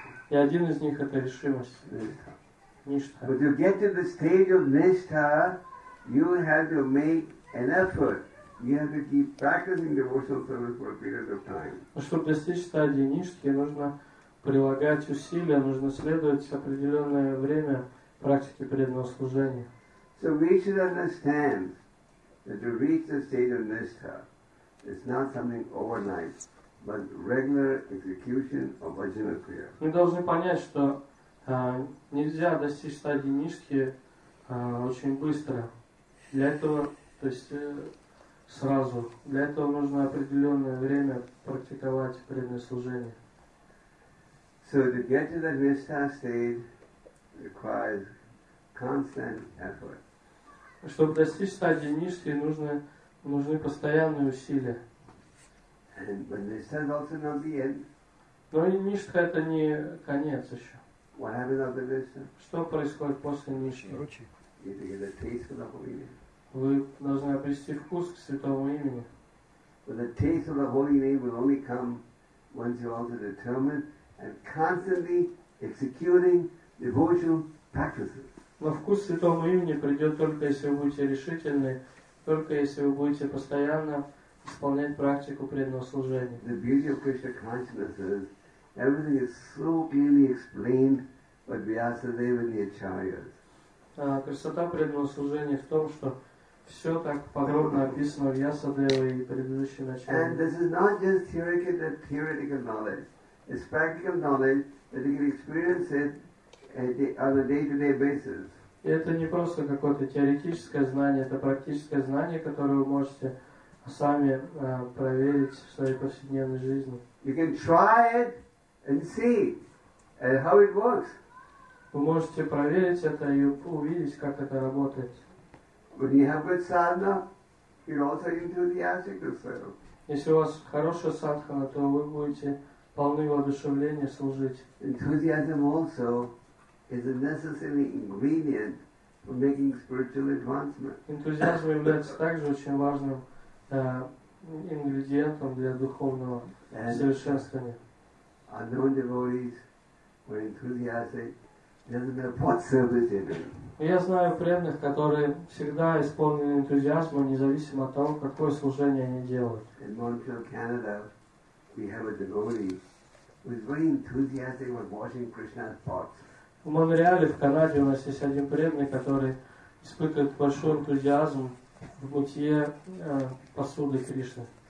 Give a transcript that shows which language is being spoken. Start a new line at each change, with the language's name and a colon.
Russian: И один из них — это решимость. Но чтобы достичь стадии ништхи, нужно прилагать усилия, нужно следовать определенное время практике преданного служения.
English: So we should understand that to reach the state of nishtha, it's not something overnight, but regular execution of bhajana kriya.
Russian: Мы должны понять, что нельзя достичь стадии нишки очень быстро. Для этого, то есть сразу. Для этого нужно определенное время практиковать преданное служение.
English: So to get to the nishtha state requires constant effort.
Russian: Чтобы достичь стадии нишки, нужны постоянные усилия.
English: And when they stand also not the end.
Russian: Но ништха — это не конец еще.
English: What happens after this?
Russian: Что происходит после ништхи?
English: You have to get a taste of the holy name.
Russian: Вы должны обрести вкус к святому имени.
English: But the taste of the holy name will only come once you're also determined and constantly executing devotional practices.
Russian: Но вкус святому имени придет только если вы будете решительны, только если вы будете постоянно исполнять практику преданного служения.
English: The beauty of Krishna consciousness is everything is so clearly explained by Vyasadeva and the Acharyas.
Russian: Красота преданного служения в том, что все так подробно описано Вьясадевой и предыдущими Ачарьями.
English: And this is not just theoretical knowledge. It's practical knowledge that you can experience it on a day-to-day basis.
Russian: И это не просто какое-то теоретическое знание, это практическое знание, которое вы можете сами проверить в своей повседневной жизни.
English: You can try it and see how it works.
Russian: Вы можете проверить это и увидеть, как это работает.
English: When you have good sadhana, you're also enthusiastic yourself.
Russian: Если у вас хорошая садхана, то вы будете полны воодушевления служить.
English: Enthusiasm also is a necessary ingredient for making spiritual advancement.
Russian: Энтузиазм является также очень важным ингредиентом для духовного
English: and
Russian: совершенствования.
English: Unknown devotees were enthusiastic
Russian: Я знаю преданных, которые всегда исполнены энтузиазмом, независимо от того, какое служение они делают.
English: In Montreal, Canada, we have a devotee who is very enthusiastic about washing Krishna's pots.
Russian: В Монреале, в Канаде, у нас есть один преданный, который испытывает большой энтузиазм в мытье посуды Кришны.